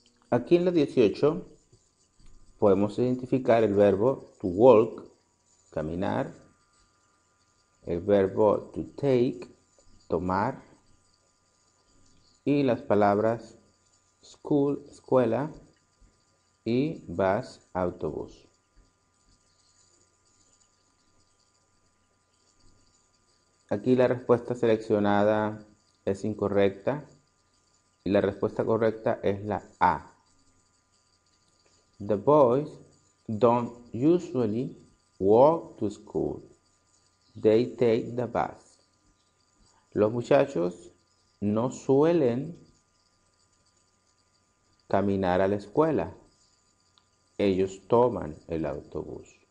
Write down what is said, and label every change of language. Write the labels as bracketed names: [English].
[Spanish] Aquí en la 18 podemos identificar el verbo to walk, caminar, el verbo to take, tomar, y las palabras school, escuela, y bus, autobús. Aquí la respuesta seleccionada es incorrecta y la respuesta correcta es la A. [English] The boys don't usually walk to school. They take the bus. [Spanish] Los muchachos no suelen caminar a la escuela. Ellos toman el autobús.